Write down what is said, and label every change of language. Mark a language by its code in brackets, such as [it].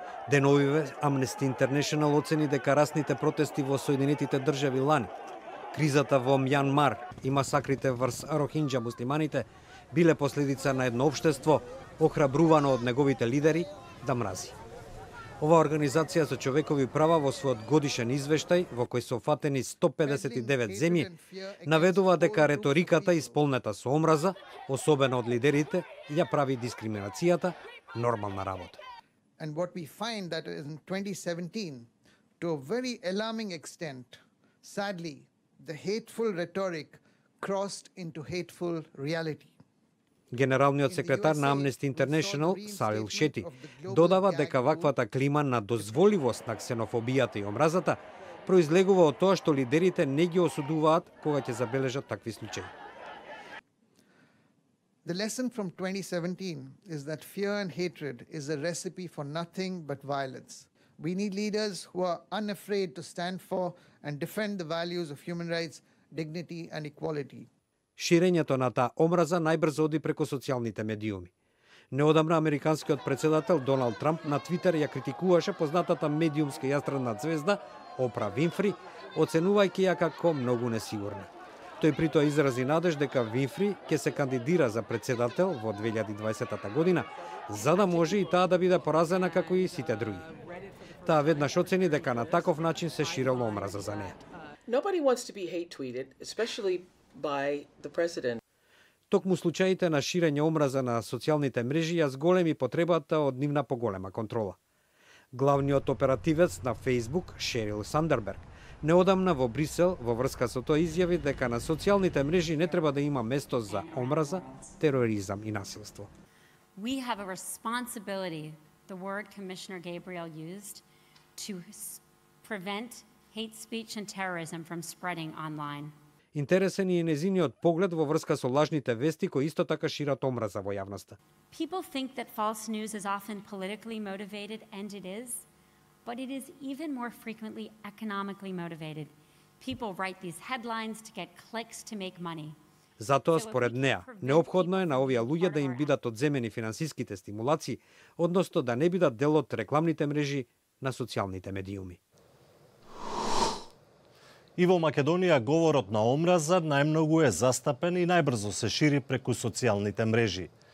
[mk] Деновиве Amnesty International оцени дека расните протести во Соединетите држави лани, кризата во Мјанмар и масакрите врз Рохинџа муслиманите биле последица на едно општество охрабрувано од неговите лидери да мрази. Ова организација за човекови права во својот годишен извештај, во кој се офатени 159 земји, наведува дека реториката исполнета со омраза, особено од лидерите, ја прави дискриминацијата нормална работа. [en] And what we find that in 2017, to a very alarming extent, sadly, the hateful rhetoric crossed into hateful reality. [mk] Генералниот секретар на Amnesty International, Сарил Шети, додава дека ваквата клима на дозволивост на ксенофобијата и омразата произлегува од тоа што лидерите не ги осудуваат кога ќе забележат такви случаи. [en] The lesson from 2017 is that fear and hatred is a recipe for nothing but violence. We need leaders who are unafraid to stand for and defend the values of human rights, dignity and equality. [mk] Ширењето на таа омраза најбрзо оди преку социјалните медиуми. Неодамна американскиот председател Доналд Трамп на Твитер ја критикуваше познатата медиумска јастрена звезда Опра Винфри, оценувајќи ја како многу несигурна. Тој притоа изрази надеж дека Винфри ќе се кандидира за председател во 2020 година, за да може и таа да биде поразена како и сите други. Таа веднаш оцени дека на таков начин се ширело омраза за неа. [en] Nobody wants to be hate tweeted, especially by the president. [mk] Токму случаите на ширење омраза на социјалните мрежи ја зголеми потребата од нивна поголема контрола. Главниот оперативец на Facebook, Шерил Сандерберг, неодамна во Брисел во врска со тоа изјави дека на социјалните мрежи не треба да има место за омраза, тероризам и насилство. [en] We have a responsibility, the word Commissioner Gabriel used, to prevent hate speech and terrorism from spreading online. [mk] Интересен е незиниот поглед во врска со лажните вести кои исто така шират омраза во јавноста. [en] People think that false news is often politically motivated and it is. But it is even more frequently economically motivated. People write these headlines to get clicks to make money. [mk] Затоа според неа, неопходно е на овие луѓе да им бидат одземени финансиските стимулации, односно да не бидат дел од рекламните мрежи на социјалните медиуми. И во Македонија говорот на омраза најмногу е застапен и најбрзо се шири преку социјалните мрежи.